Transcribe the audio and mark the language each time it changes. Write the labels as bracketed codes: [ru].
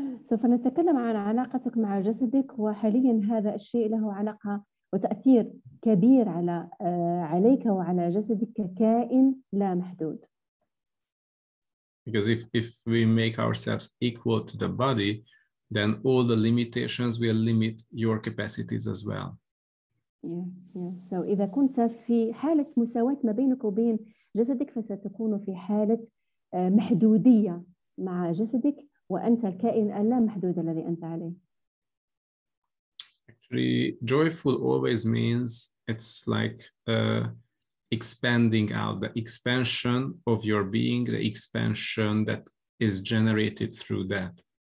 [ar] سوف نتكلم عن علاقتك مع جسدك وحاليا هذا الشيء له علاقة وتأثير كبير على عليك وعلى جسدك ككائن لا محدود. [en] Because if we make ourselves equal to the body, then all the limitations will limit your capacities as well. Yes, yes. So [ar] إذا كنت في حالة مساواة ما بينك وبين جسدك فستكون في حالة محدودية مع جسدك وأنت الكائن اللا محدود الذي أنت عليه. [en] Actually, joyful always means it's like expanding out, the expansion of your being, the expansion that is generated through that.